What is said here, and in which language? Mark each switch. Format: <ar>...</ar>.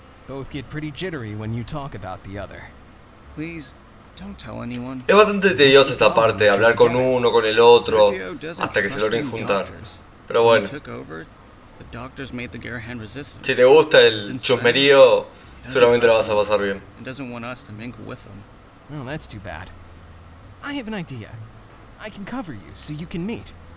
<en>Both get pretty jittery when you talk about the other. Please, don't tell anyone.</en> <es>Es bastante tedioso esta parte, hablar con uno, con el otro, hasta que se logren juntar. Pero bueno. Si te gusta el chusmerío, seguramente la vas a pasar bien.</es> <en>He doesn't want us to mingle with them. Oh, that's too bad. I have an idea. I can cover you so you can meet.</en>